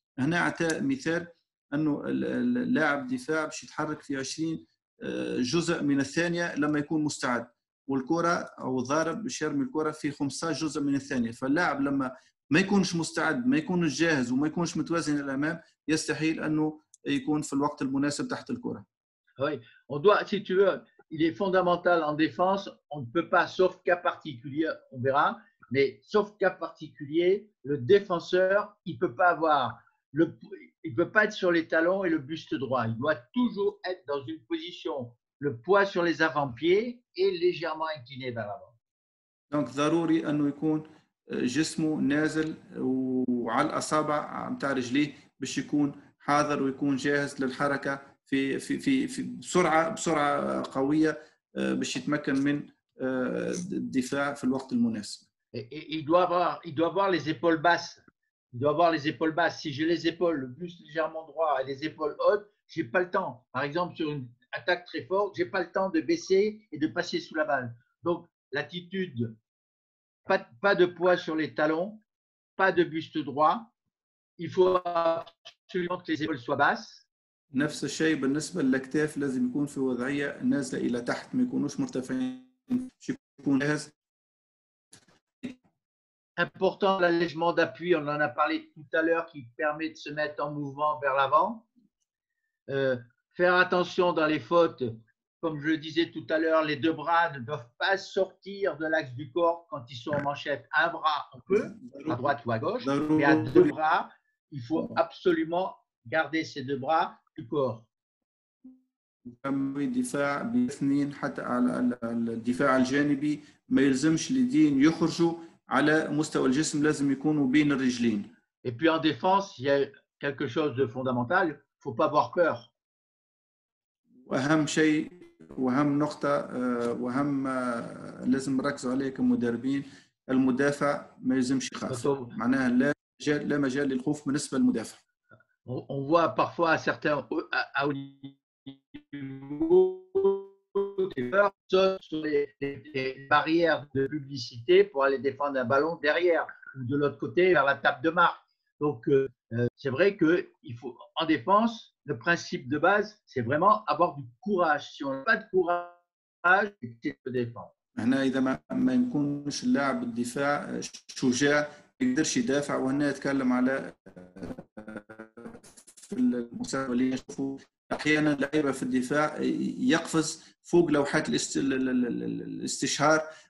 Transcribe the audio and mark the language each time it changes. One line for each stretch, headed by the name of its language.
Arabic: هنا اعطى مثال انه اللاعب الدفاع باش يتحرك في 20 جزء من الثانيه لما يكون مستعد، والكرة أو الضارب بيرمي الكرة في 15 جزء من الثانية. فاللاعب لما ما يكونش مستعد، ما يكونش جاهز، وما يكونش متوازن الأمام، يستحيل أنه يكون في الوقت المناسب تحت الكرة.
French: Oui, on doit, si tu veux, il est fondamental en défense, on ne peut pas, sauf cas particulier, on verra, mais sauf cas particulier, le défenseur, il ne peut pas avoir, il ne peut pas être sur les talons et le buste droit. Il doit toujours être dans une position le poids sur les avant-pieds est légèrement incliné vers l'avant.
Arabic: Donc, ضروري انه يكون جسمه نازل وعلى الاصابع نتاع رجليه باش يكون حاضر ويكون جاهز للحركه في في في, في بسرعه قويه باش يتمكن من الدفاع في الوقت المناسب.
French: Il doit avoir les épaules basses. Il doit avoir les épaules basses. Si j'ai les épaules, le buste légèrement droit et les épaules hautes, j'ai pas le temps. Par exemple, sur une attaque très forte, j'ai pas le temps de baisser et de passer sous la balle. Donc l'attitude, pas de poids sur les talons, pas de buste droit. Il faut absolument que les épaules soient basses.
Arabic: نفس الشيء بالنسبة للأكتاف لازم يكون في وضعية نازلة إلى تحت، ما يكونوش مرتفعين. يكون جاهز.
French: Important l'allègement d'appui. On en a parlé tout à l'heure, qui permet de se mettre en mouvement vers l'avant. Faire attention dans les fautes, comme je le disais tout à l'heure, les deux bras ne doivent pas sortir de l'axe du corps quand ils sont en manchette. Un bras, on peut, à droite ou à gauche, mais à deux bras, il faut absolument garder ces deux bras du corps.
Arabic: Oui, دفاع باثنين حتى على الدفاع الجانبي ما يلزمش اليدين يخرجوا على مستوى الجسم، لازم يكونوا بين الرجلين.
French: Et puis en défense, il y a quelque chose de fondamental, il faut pas avoir peur.
Arabic: واهم شيء واهم نقطة واهم لازم نركز عليه كمدربين، المدافع ما يلزمش يخاف، معناها لا مجال للخوف بالنسبة للمدافع.
French: On voit parfois à certains au niveau des joueurs sautent sur les barrières de publicité pour aller défendre un ballon derrière ou de l'autre côté vers la table de marque. Donc c'est vrai que il faut en défense, le principe de base, c'est vraiment avoir du courage. Si on n'a pas de courage, c'est de défendre.
Arabic: هنا إذا ما يكونش اللاعب الدفاع شجاع ما يقدرش يدافع، وهنا نتكلم على في المسابقة اللي نشوفوا أحيانا لعيبة في الدفاع يقفز فوق لوحات الاستشهار